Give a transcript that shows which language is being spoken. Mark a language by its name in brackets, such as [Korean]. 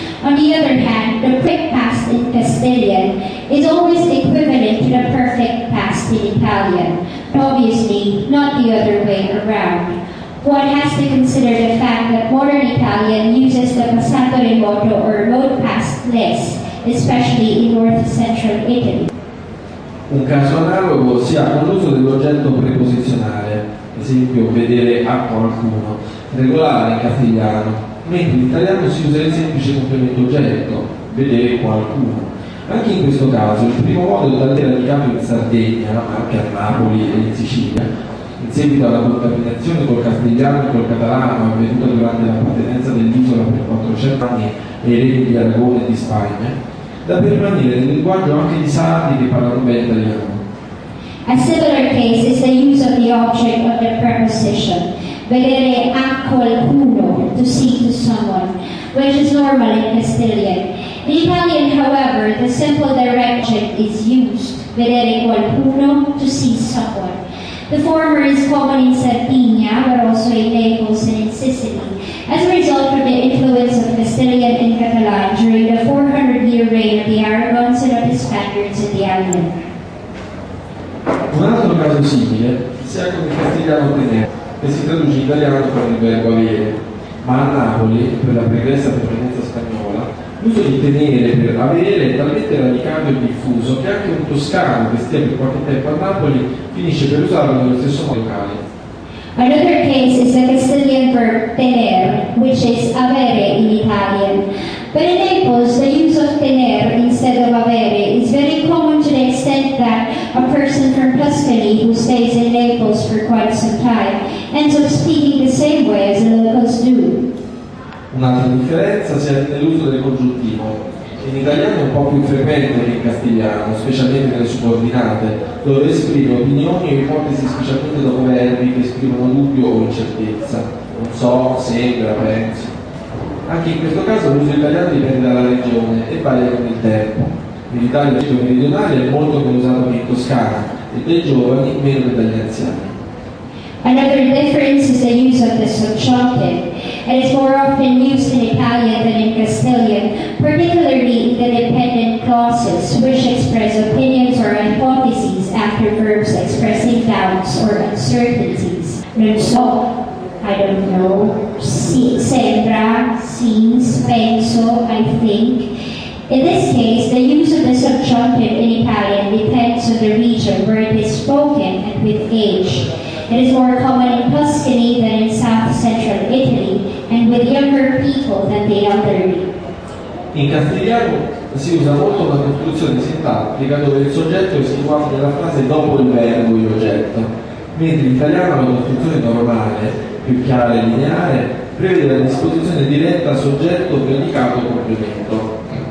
[English] On the other hand, the quick past in Castilian is always equivalent to the perfect past in Italian, but obviously not the other way around. One has to consider the fact that modern Italian uses the passato remoto or remote past less, especially in north central Italy. [Italian] Un caso analogo si ha con l'uso dell'oggetto preposizionale, esempio vedere a qualcuno, regolare in castigliano, mentre in italiano si usa il semplice complemento oggetto, vedere qualcuno. Anche in questo caso, il primo modo da dire radicato in Sardegna, anche a Napoli e in Sicilia, in seguito alla contaminazione col castigliano e col catalano avvenuta durante l'appartenenza dell'isola per 400 anni ai regni di Aragone e di Spagna, da permanere nel linguaggio anche di sardi che parlano bene italiano. [English] A similar case is the use of the object of the preposition, vedere a qualcuno, to see to someone, which is normal in Castilian. In Italian, however, the simple direction is used, vedere qualcuno, to see someone. The former is common in Sardinia, but also in Naples and in Sicily, as a result of the influence of Castilian and Catalan during the 400-year reign of the Aragons and of the Spaniards in the island. [Italian] Un altro caso simile si ha con il castigliano tenere, che si traduce in italiano con il verbo avere, ma a Napoli, per la pregressa provenienza spagnola, l'uso di tenere per avere è talmente radicato e diffuso che anche un toscano che stia per qualche tempo a Napoli finisce per usarlo nello stesso modo locale. [English] Another case is the Castilian verb tener, which is avere in Italian. But in Naples, the use of tener instead of avere is very common to the extent that a person from Tuscany who stays in Naples for quite some time ends up speaking the same way as the locals do. [Italian] Un'altra differenza si ha nell'uso del congiuntivo. In italiano è un po' più frequente che in castigliano, specialmente nelle subordinate, dove esprime opinioni o ipotesi specialmente dopo verbi che esprimono dubbio o incertezza. Non so, sembra, penso. Anche in questo caso l'uso italiano dipende dalla regione e varia con il tempo. In Italia il gergo meridionale è molto più usato che in Toscana e dai giovani meno che dagli anziani. [English] Another difference is the use of the subjunctive. It is more often used in Italian than in Castilian, particularly in the dependent clauses, which express opinions or hypotheses after verbs expressing doubts or uncertainties. Non so, I don't know, si, sembra, seems, penso, I think. In this case, the use of the subjunctive in Italian depends on the region where it is spoken and with age. It is more common in Tuscany than in south-central Italy, and with younger people than the elderly. [Italian] In castigliano si usa molto una costruzione sintattica dove il soggetto è situato nella frase dopo il verbo e l'oggetto, mentre in italiano la costruzione normale, più chiara e lineare, prevede la disposizione diretta soggetto-predicato-complemento.